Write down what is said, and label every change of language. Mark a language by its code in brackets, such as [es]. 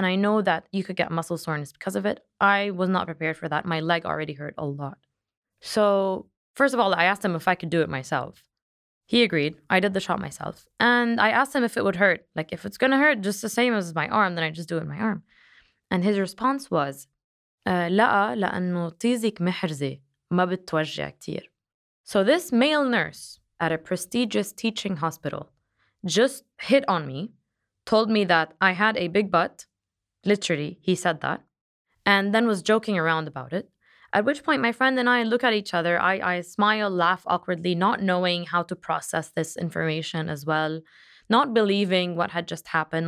[en] And I know that you could get muscle soreness because of it. I was not prepared for that. My leg already hurt a lot. So, first of all, I asked him if I could do it myself. He agreed. I did the shot myself. And I asked him if it would hurt. Like, if it's going to hurt just the same as my arm, then I just do it in my arm. And his response was, [ar] لا, لأنه طيزك محرزي ما بتوجع كتير. [en] So this male nurse at a prestigious teaching hospital just hit on me, told me that I had a big butt. Literally, he said that. And then was joking around about it. At which point, my friend and I look at each other. I smile, laugh awkwardly, not knowing how to process this information as well, not believing what had just happened.